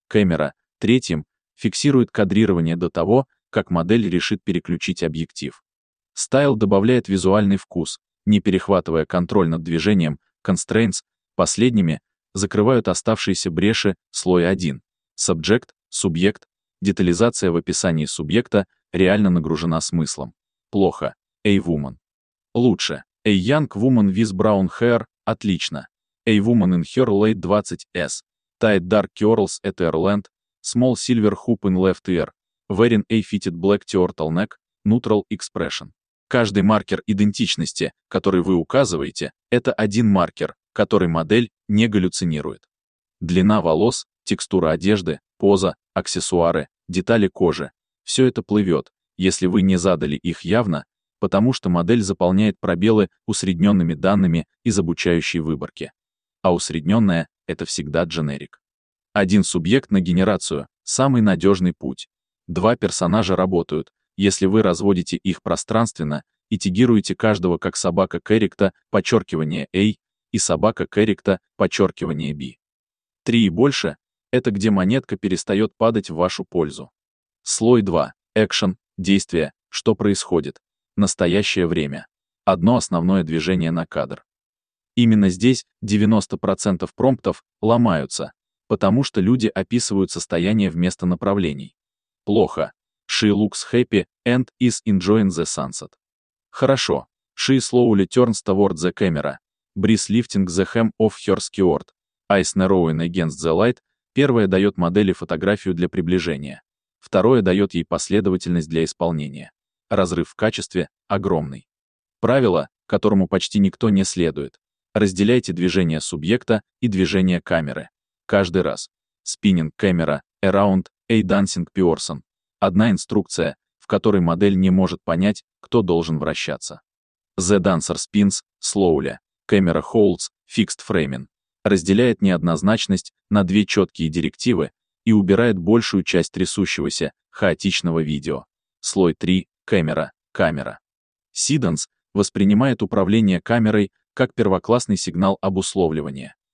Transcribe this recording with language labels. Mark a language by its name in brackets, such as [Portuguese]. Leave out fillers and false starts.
[Russian] Camera третьим фиксирует кадрирование до того, как модель решит переключить объектив. Style добавляет визуальный вкус, не перехватывая контроль над движением. Constraints последними закрывают оставшиеся бреши, слой 1. Subject, субъект, детализация в описании субъекта реально нагружена смыслом. Плохо, [English] a woman. [Russian] Лучше, [English] a young woman with brown hair, [Russian] отлично. [English] A woman in her late 20s, tied dark curls at her length, small silver hoop in left ear, wearing a fitted black turtleneck, neutral expression. [Russian] Каждый маркер идентичности, который вы указываете, это один маркер, который модель не галлюцинирует. Длина волос, текстура одежды, поза, аксессуары, детали кожи, все это плывет, если вы не задали их явно, потому что модель заполняет пробелы усредненными данными из обучающей выборки. А усредненная — это всегда дженерик. Один субъект на генерацию — самый надежный путь. Два персонажа работают, если вы разводите их пространственно и тегируете каждого как собака кэрикта подчеркивание A и собака кэрикта подчеркивание B. Три и больше — это где монетка перестает падать в вашу пользу. Слой 2 — экшен, действие, что происходит. Настоящее время. Одно основное движение на кадр. Именно здесь 90% промптов ломаются, потому что люди описывают состояние вместо направлений. Плохо. [English] She looks happy and is enjoying the sunset. [Russian] Хорошо. [English] She slowly turns toward the camera. Breeze lifting the hem of her skirt. Eyes narrowing against the light. [Russian] Первое дает модели фотографию для приближения. Второе дает ей последовательность для исполнения. Разрыв в качестве огромный. Правило, которому почти никто не следует. Разделяйте движение субъекта и движение камеры. Каждый раз. [English] Spinning camera, around, a dancing person. [Russian] Одна инструкция, в которой модель не может понять, кто должен вращаться. [English] The dancer spins, slowly. Camera holds, fixed framing. [Russian] Разделяет неоднозначность на две четкие директивы и убирает большую часть трясущегося, хаотичного видео. Слой 3. Камера, камера. Сиденс воспринимает управление камерой как первоклассный сигнал обусловливания.